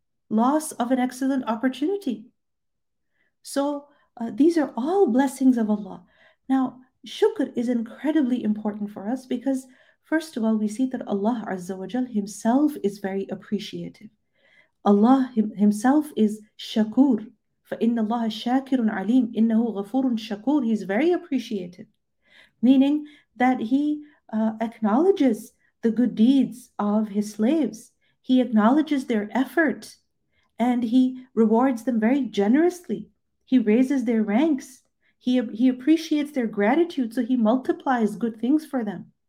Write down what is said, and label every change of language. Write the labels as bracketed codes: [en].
[en] Loss of an excellent opportunity. So these are all blessings of Allah. Now, shukr is incredibly important for us because, first of all, we see that Allah Azza wa Jal Himself is very appreciative. Allah Himself is shakur. [ar] فَإِنَّ اللَّهَ شَاكِرٌ عَلِيمٌ إِنَّهُ غَفُورٌ شَكُورٌ [en] He's very appreciative. Meaning that He acknowledges the good deeds of His slaves. He acknowledges their effort and He rewards them very generously. He raises their ranks. He appreciates their gratitude, so He multiplies good things for them.